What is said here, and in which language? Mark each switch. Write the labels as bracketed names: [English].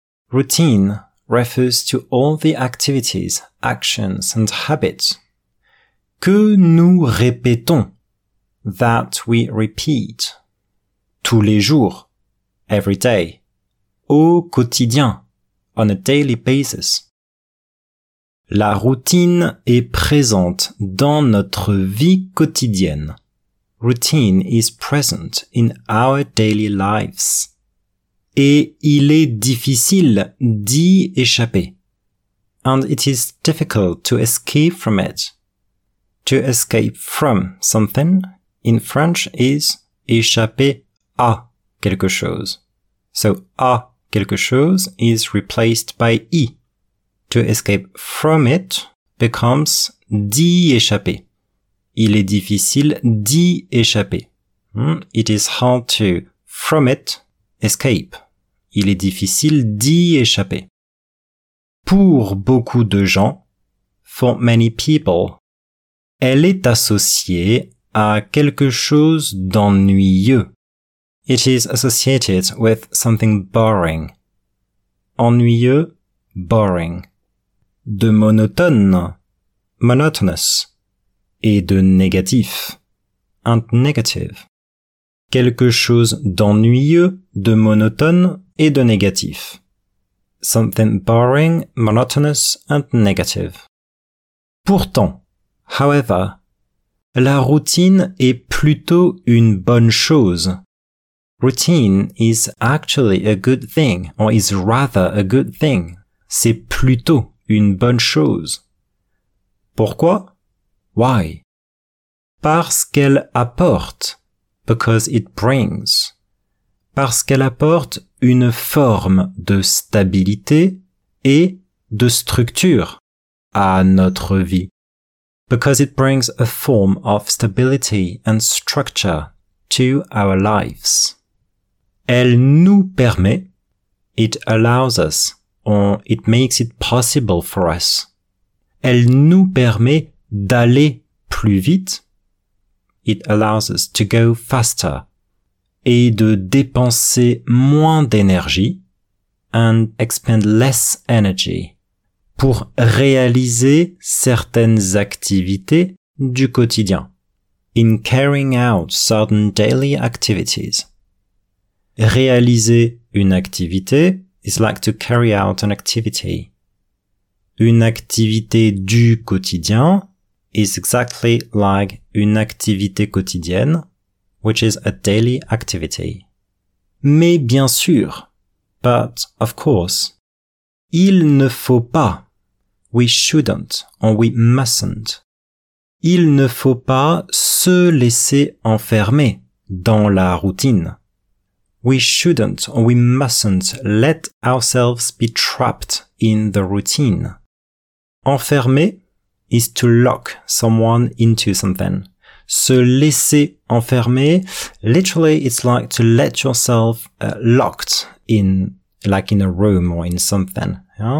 [English] Routine refers to all the activities, actions and habits [French] que nous répétons, [English] that we repeat, [French] tous les jours, [English] every day, [French] au quotidien, [English] on a daily basis. [French] La routine est présente dans notre vie quotidienne. [English] Routine is present in our daily lives. [French] Et il est difficile d'y échapper. [English] And it is difficult to escape from it. To escape from something in French is [French] échapper à quelque chose. [English] So, [French] à quelque chose [English] is replaced by y. To escape from it becomes [French] d'y échapper. Il est difficile d'y échapper. [English] It is hard to, from it, escape. [French] Il est difficile d'y échapper. Pour beaucoup de gens, [English] for many people, [French] elle est associée à quelque chose d'ennuyeux. [English] It is associated with something boring. [French] Ennuyeux, [English] boring. [French] De monotone, [English] monotonous, [French] et de négatif, [English] and negative. [French] Quelque chose d'ennuyeux, de monotone et de négatif. [English] Something boring, monotonous, and negative. [French] Pourtant, [English] however, [French] la routine est plutôt une bonne chose. [English] Routine is actually a good thing, or is rather a good thing. [French] C'est plutôt une bonne chose. Pourquoi? [English] Why? [French] Parce qu'elle apporte. [English] Because it brings. [French] Parce qu'elle apporte une forme de stabilité et de structure à notre vie. [English] Because it brings a form of stability and structure to our lives. [French] Elle nous permet. [English] It allows us. Or it makes it possible for us. [French] Elle nous permet d'aller plus vite. [English] It allows us to go faster. [French] Et de dépenser moins d'énergie. [English] And expend less energy. [French] Pour réaliser certaines activités du quotidien. [English] In carrying out certain daily activities. [French] Réaliser une activité. [English] It's like to carry out an activity. [French] Une activité du quotidien [English] is exactly like [French] une activité quotidienne, [English] which is a daily activity. [French] Mais bien sûr, [English] but of course, [French] il ne faut pas, [English] we shouldn't, or we mustn't. [French] Il ne faut pas se laisser enfermer dans la routine. [English] We shouldn't or we mustn't let ourselves be trapped in the routine. Enfermer is to lock someone into something. [French] Se laisser enfermer, [English] literally it's like to let yourself locked in, like in a room or in something, yeah?